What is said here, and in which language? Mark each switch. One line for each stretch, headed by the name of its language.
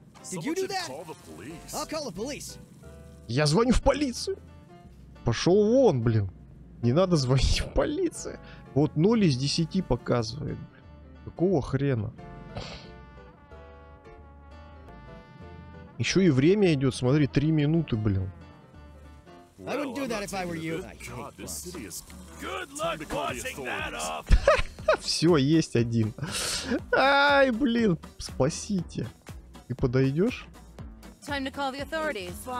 English: Did you do that? I'll call the police.
Russian: Я звоню в полицию. Пошел вон, блин. Не надо звонить в полицию. Вот 0 из 10 показывает. Какого хрена? Еще и время идет, смотри, 3 минуты, блин.
English: I wouldn't do that if I were you. Good luck crossing that off.
Russian: Все, есть один. Ай, блин, спасите. Ты подойдешь?
English: Time to call the authorities.